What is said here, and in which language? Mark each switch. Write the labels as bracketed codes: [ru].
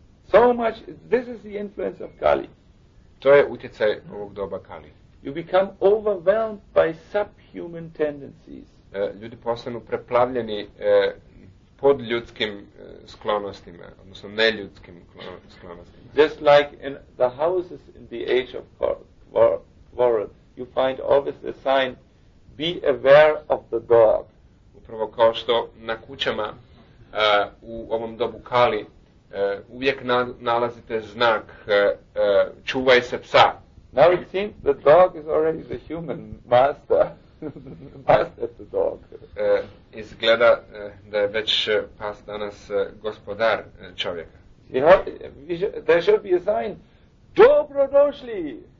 [en] So much, this is the influence of Kali. [hr] To je utjecaj ovog doba Kali. [en] You become overwhelmed by subhuman tendencies. [hr] Ljudi postanu preplavljeni pod ljudskim sklonostima, odnosno neljudskim sklonostima. [en] Just like in the houses in the age of quarrel, you find always the sign, be aware of the dog. [hr] Upravo kao što na kućama u ovom dobu Kali uvijek nalazite znak čuvaj se psa. [en] Now it seems the dog is already the human master. Master the dog. [hr] Izgleda da je već pas danas gospodar čovjeka. [en] There should be a sign. Dobrodošli!